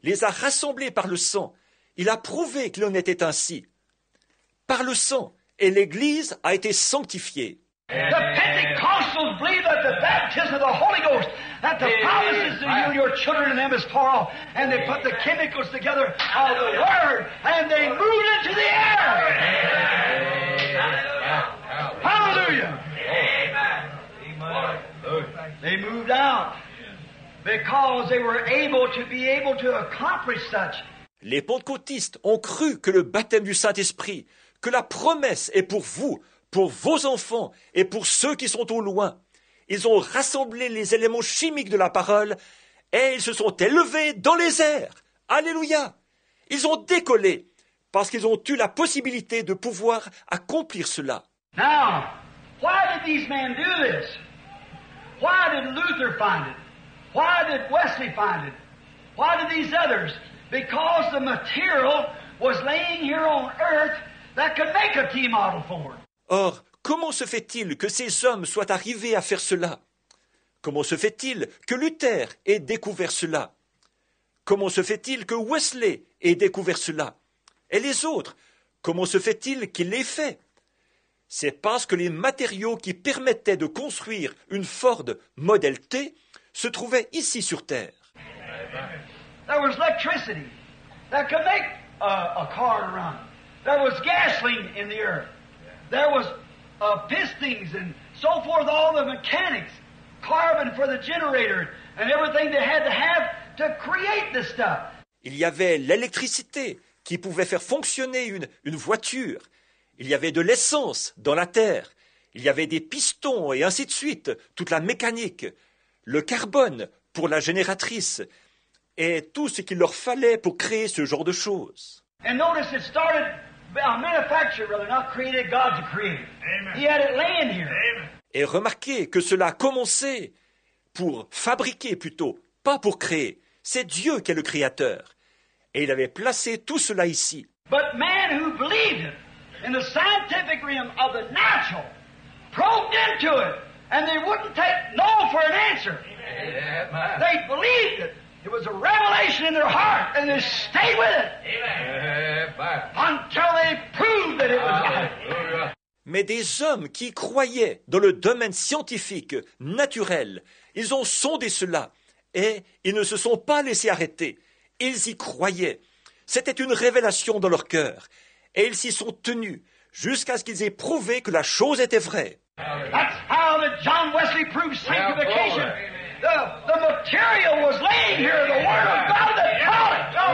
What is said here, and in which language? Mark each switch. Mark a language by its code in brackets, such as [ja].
[fr] les a rassemblés par le sang. Il a prouvé que l'homme était ainsi. Par le sang, et l'Église a été sanctifiée. [en] The Pentecostals believe that the baptism of the Holy Ghost, that the promises of you and your children and them is far off, and they put the chemicals together of the Word, and they move it into the air. Hallelujah. Hallelujah. They moved out because they were able to be able to accomplish such. [fr] Les pentecôtistes ont cru que le baptême du Saint-Esprit, que la promesse est pour vous, pour vos enfants et pour ceux qui sont au loin. Ils ont rassemblé les éléments chimiques de la parole et ils se sont élevés dans les airs. Alléluia! Ils ont décollé parce qu'ils ont eu la possibilité de pouvoir accomplir cela. [en] Now, why did these men do this? Why did Luther find it? Why did Wesley find it? Why did these others? Because the material was laying here on earth that could make a T-model for it. [fr] Or, comment se fait-il que ces hommes soient arrivés à faire cela? Comment se fait-il que Luther ait découvert cela? Comment se fait-il que Wesley ait découvert cela? Et les autres, comment se fait-il qu'ils l'aient fait? C'est parce que les matériaux qui permettaient de construire une Ford Model T se trouvaient ici sur Terre. [en] There was electricity that could make a car run. There was gasoline in the earth. There was pistons and so forth, all the mechanics, carbon for the generator, and everything they had to have to create this stuff. [fr] Il y avait l'électricité qui pouvait faire fonctionner une voiture. Il y avait de l'essence dans la terre. Il y avait des pistons et ainsi de suite, toute la mécanique, le carbone pour la génératrice, et tout ce qu'il leur fallait pour créer ce genre de choses. [en] And notice it started. A manufacturer, brother, not created, God to create. Amen. He had it laying here. Amen. [fr] Et remarquez que cela a commencé pour fabriquer plutôt, pas pour créer. C'est Dieu qui est le créateur. Et il avait placé tout cela ici. [en] But man who believed in the scientific realm of the natural probed into it and they wouldn't take no for an answer. Amen. They believed it. It was a revelation in their heart, and they stayed with it. Amen. Until they proved that it was God. [fr] Mais des hommes qui croyaient dans le domaine scientifique, naturel, ils ont sondé cela, et ils ne se sont pas laissés arrêter. Ils y croyaient. C'était une révélation dans leur cœur. Et ils s'y sont tenus, jusqu'à ce qu'ils aient prouvé que la chose était vraie. [en] That's how the John Wesley proved sanctification. The material was laying here, the Word of God that taught it.